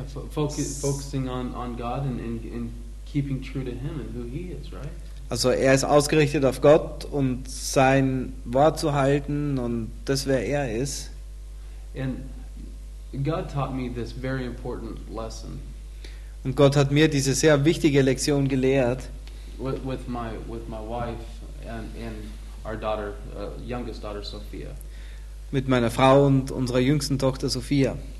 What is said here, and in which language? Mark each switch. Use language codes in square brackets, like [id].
[en] Focusing on God and keeping true to him and who he is, right? [de] Also er ist ausgerichtet auf Gott und sein Wort zu halten und das, wer er ist. [en] And God taught me this very important lesson. [de] Und Gott hat mir diese sehr wichtige Lektion gelehrt. [en] With my wife and our daughter, youngest daughter Sophia. [de] Mit meiner Frau und unserer jüngsten Tochter Sophia.